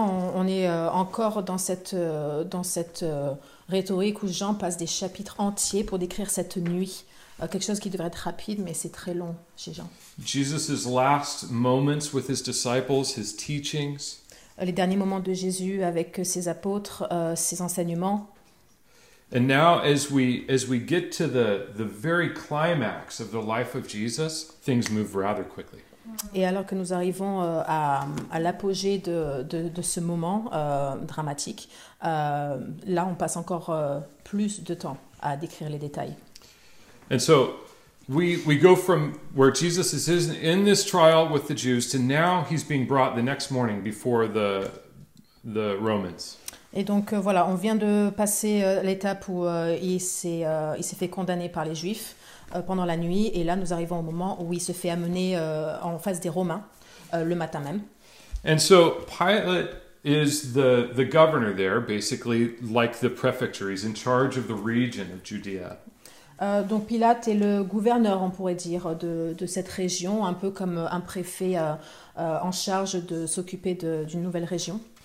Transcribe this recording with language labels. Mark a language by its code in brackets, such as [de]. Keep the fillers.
[fr] on, on, est encore dans cette dans cette uh, rhétorique où Jean passe des chapitres entiers pour décrire cette nuit. Euh, quelque chose qui devrait être rapide, mais c'est très long chez Jean. [en] Jesus's last moments with his disciples, his teachings. [fr] Les derniers moments de Jésus avec ses apôtres, euh, ses enseignements. [en] And now, as we as we get to the the very climax of the life of Jesus, things move rather quickly. [fr] Et alors que nous arrivons à, à l'apogée de, de, de, ce moment euh, dramatique, là, on passe encore plus de temps à décrire les détails. [en] And so we we go from where Jesus is in this trial with the Jews to now he's being brought the next morning before the the Romans. [fr] Et donc uh, voilà, on vient de passer uh, l'étape où uh, il s'est il s'est fait condamner par les Juifs pendant la nuit et là nous arrivons au moment où il se fait amener en face des Romains le matin même. [en] And so Pilate is the the governor there basically like the prefecture he's in charge of the region of Judea. [fr] Uh, donc Pilate est le gouverneur, on pourrait dire, de, de cette région, un peu comme un préfet uh, uh, en charge de s'occuper d'une nouvelle région.